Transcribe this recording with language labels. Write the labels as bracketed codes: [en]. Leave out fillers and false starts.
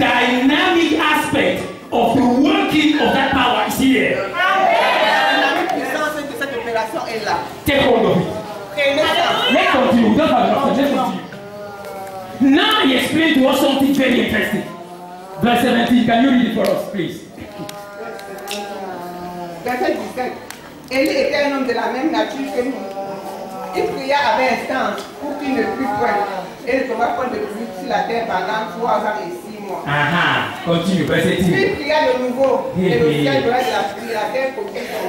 [en] dynamic aspect of the working of that power is here. [fr] La dynamic puissance de cette opération est là. [en] Take hold of it. Let's continue. Don't have enough. Let's continue. Now he explained to us something very interesting. Verse 17, can you read it for us, please? Verse 17. [fr] Élie était un homme de la même nature que nous. Il pria avec instance pour qu'il ne puisse point. Et ne tomba point de pluie sur la terre pendant 3 ans et 6 mois. [en] Aha, continue, verse 18. [fr] Il pria de nouveau. Et le ciel tomba de la pluie, la terre coquait son